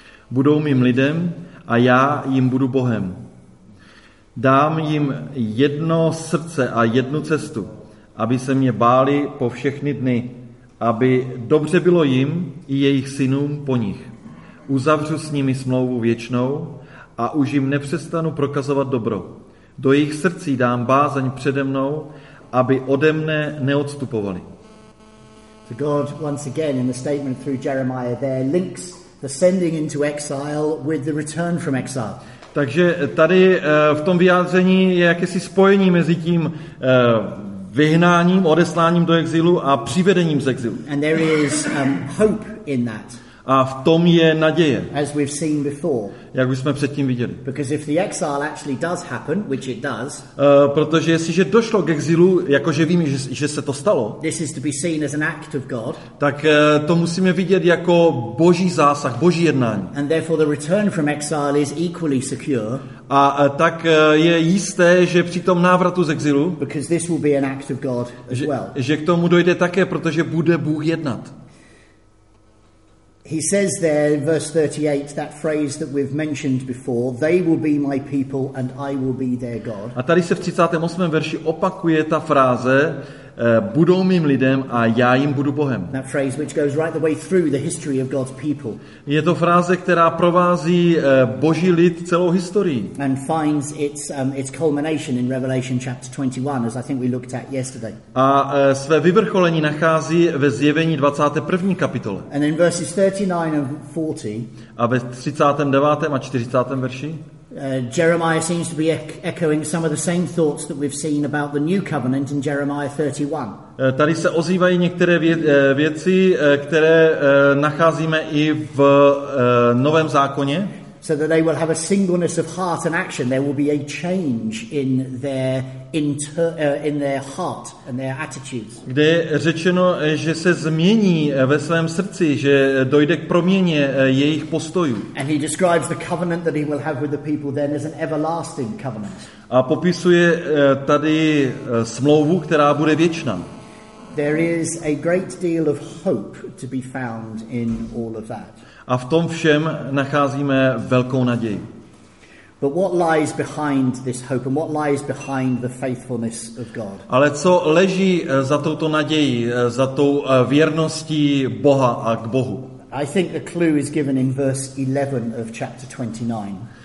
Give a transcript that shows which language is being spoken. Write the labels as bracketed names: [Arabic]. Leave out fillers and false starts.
[Czech] Budou mým lidem a já jim budu Bohem. Dám jim jedno srdce a jednu cestu, aby se mě báli po všechny dny, aby dobře bylo jim i jejich synům po nich. Uzavřu s nimi smlouvu věčnou a už jim nepřestanu prokazovat dobro. Do jejich srdcí dám bázeň přede mnou, aby ode mne neodstupovali. [English] So God, once again, in the statement through Jeremiah there, links the sending into exile with the return from exile. [Czech] Takže tady v tom vyjádření je jakési spojení mezi tím vyhnáním, odesláním do exilu a přivedením z exilu. [English] And there is hope in that. [Czech] A v tom je naděje. [English] As we've seen before. [Czech] Jak už jsme předtím viděli. [English] Because if the exile actually does happen, which it does. [Czech] Protože jestliže došlo k exilu, jakože víme, že se to stalo. [English] This is to be seen as an act of God. [Czech] Tak to musíme vidět jako boží zásah, boží jednání. [English] And therefore the return from exile is equally secure. [Czech] A tak je jisté, že při tom návratu z exilu. [English] Because this will be an act of God as well. [Czech] Že k tomu dojde také, protože bude Bůh jednat. [English] He says there in verse 38 that phrase that we've mentioned before, they will be my people and I will be their God. [Czech] A tady se v 38. verši opakuje ta fráze, budou mým lidem a já jim budu Bohem. [English] That phrase which goes right the way through the history of God's people. [Czech] Je to fráze, která provází Boží lid celou historii. [English] And finds its culmination in Revelation chapter 21, as I think we looked at yesterday. [Czech] A své vyvrcholení nachází ve Zjevení 21. kapitole. [English] And in verses 39 and 40. [Czech] A ve 39. a 40. verši. [English] Jeremiah seems to be echoing some of the same thoughts that we've seen about the new covenant in Jeremiah 31. [Czech] Tady se ozývají některé věci, které nacházíme i v Novém zákoně. [English] So that they will have a singleness of heart and action. There will be a change in their in their heart and their attitudes. [Czech] Kde je řečeno, že se změní ve svém srdci, že dojde k proměně jejich postojů. [English] And he describes the covenant that he will have with the people then as an everlasting covenant. [Czech] A popisuje tady smlouvu, která bude věčná. [English] There is a great deal of hope to be found in all of that. [Czech] A v tom všem nacházíme velkou naději. [English] But what lies behind this hope and what lies behind the faithfulness of God? [Czech] Ale co leží za touto naději, za tou věrností Boha a k Bohu? [English] I think the clue is given in verse 11 of chapter 29.